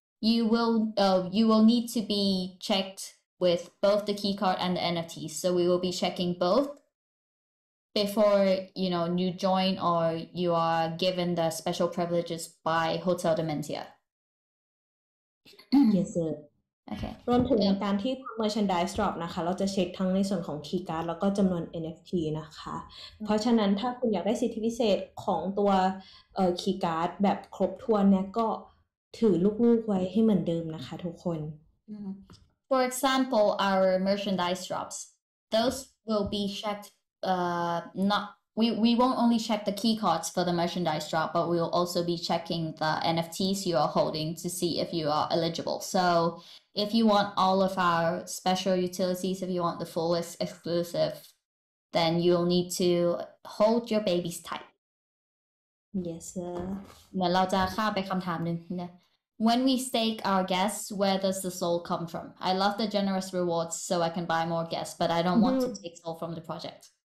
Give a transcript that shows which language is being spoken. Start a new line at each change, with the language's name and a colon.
English: You will need to be checked with both the key card and the NFT. So we will be checking both before you know you join or you are given the special privileges by Hotel Dementia. Yes, sir. Okay.
Thai: รวมถึง yeah. การที่ทำ merchandise drop นะคะเราจะเช็คทั้งในส่วนของ key card แล้วก็จำนวน NFT นะคะ mm-hmm. เพราะฉะนั้นถ้าคุณอยากได้สิทธิพิเศษของตัว key card แบบครบถ้วนเนี่ยก็ถือลูกๆไว้ให้เหมือนเดิมนะคะทุกคน mm-hmm.
English: For example our merchandise drops those will be checked not we won't only check the key cards for the merchandise drop but we'll also be checking the NFTs you are holding to see if you are eligible soIf you want all of our special utilities, if you want the fullest exclusive, then you'll need to hold your babies tight. Yes, sir.
Thai: เดี๋ยวเราจะข้ามไปคำถามหนึ่งนะ
English: When we stake our guests, where does the soul come from? I love the generous rewards so I can buy more guests, but I don't want to take soul from the project.